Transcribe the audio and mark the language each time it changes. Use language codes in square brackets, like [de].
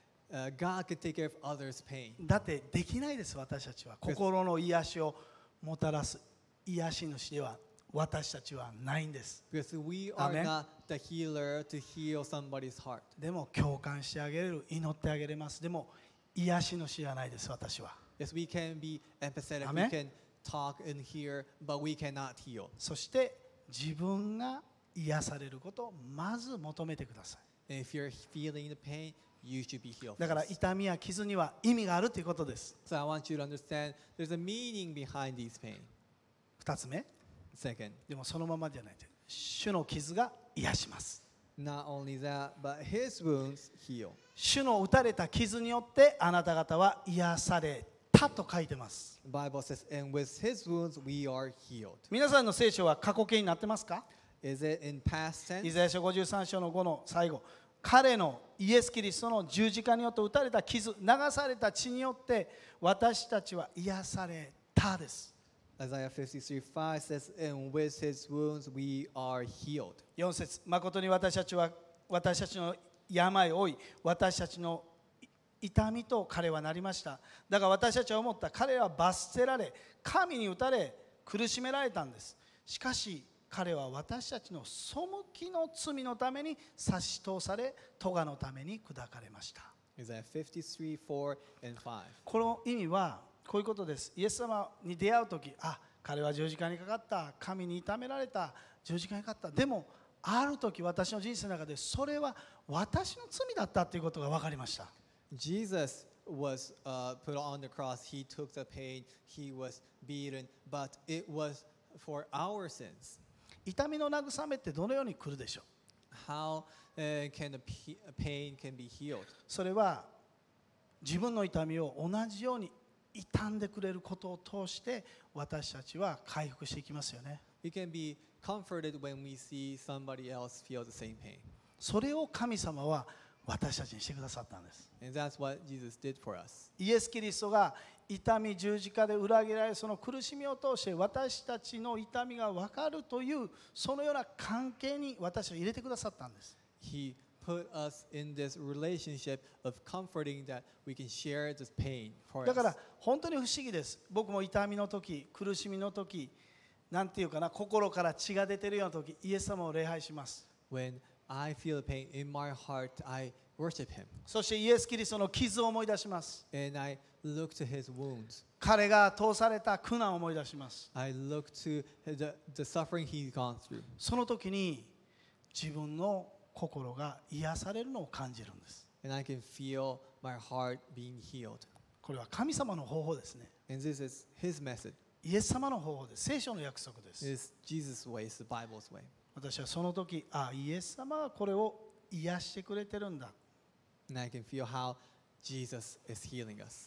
[en] God could take care of others' pain. [ja] だってできないです私たちは心の癒しをもたらす癒し主では私たちはないんです。 [en] Because we are not the healer to heal somebody's heart. [ja] でも共感してあげる祈ってあげれます。でも癒し主じゃないです私は。 [en] Yes, we can be empathetic. We can talk and hear, but we cannot heal. [ja] そして自分が癒されることをまず求めてください。 [en] If you're feeling the pain, you should be healed. [ja] だから痛みや傷には意味があるということです。 [en] So I want you to understand there's a meaning behind these pain. [ja] 2つ目。 [en] Second. [ja] でもそのままじゃない。主の傷が癒します。 [en] Not only that, but his wounds heal. [ja] 主の打たれた傷によってあなた方は癒されたと書いてます。 [en] Bible says, and with his wounds we are healed. [ja] 皆さんの聖書は過去形になってますか？ [en] Is it in past tense? [ja] イザヤ書53章の5の最後、彼のイエスキリストの十字架によって打たれた傷、流された血によって私たちは癒されたです。 [en] Isaiah 53:5 says, "And with his wounds we are healed." [ja] 四節、まことに私たちは私たちの病を負い、私たちの痛みと彼はなりました。だが私たちは思った、彼は罰せられ、神に打たれ、苦しめられたんです。しかし彼は私たちの背きの罪のために差し通され、咎のために砕かれました。 [en] Isaiah 53:4 and 5. [ja] この意味は。こういうことです。イエス様に出会うとき、あ、彼は十字架にかかった、神に痛められた、十字架にかかった。でもあるとき私の人生の中でそれは私の罪だったということが分かりました。 [en] Jesus was put on the cross. He took the pain. He was beaten. But it was for our sins. [ja] 痛みの慰めってどのように来るでしょう。 [en] How can the pain can be healed? [ja] それは自分の痛みを同じように傷んでくれることを通して私たちは回復していきますよね。 [en] We can be comforted when we see somebody else feel the same pain. [ja] それを神様は私たちにしてくださったんです。 [en] And that's what Jesus did for us. [ja] イエス・キリストが痛み十字架で裏切られその苦しみを通して私たちの痛みが分かるというそのような関係に私を入れてくださったんです。 [en] He put us in this relationship of comforting that we can share this pain for us. [ja] だから本当に不思議です。僕も痛みの時、苦しみの時、なんていうかな、心から血が出てるような時、イエス様を礼拝します。 [en] When I feel pain in my heart, I worship him. [ja] そしてイエス・キリストの傷を思い出します。 [en] And I look to his wounds. [ja] 彼が通された苦難を思い出します。 [en] I look to the suffering he's gone through. [ja] その時に自分の心が癒されるのを感じるんです。 [en] And I can feel my heart being healed. [ja] これは神様の方法ですね。 [en] And this is his method. [ja] イエス様の方法です。聖書の約束です。 [en] It's Jesus' way, it's the Bible's way. [ja] 私はその時、あ、イエス様はこれを癒してくれてるんだ。 [en] And I can feel how Jesus is healing us.